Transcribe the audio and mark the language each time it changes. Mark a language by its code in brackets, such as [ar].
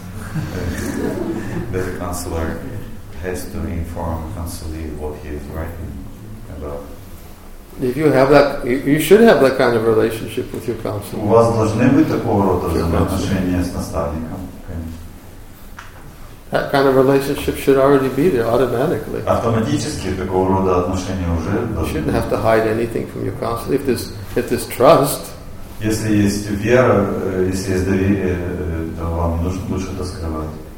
[en] The counselor has to inform counselee what he is writing about. If you have that, you should have that kind of relationship with your counselor. [ru] У вас должны быть такого рода взаимоотношения с наставником. [en] That kind of relationship should already be there automatically. [ru] Автоматически такого рода отношения уже должны. [en] You shouldn't have to hide anything from your counselor if there's trust. [ru] Если есть вера, если есть доверие, то вам нужно лучше это скрывать.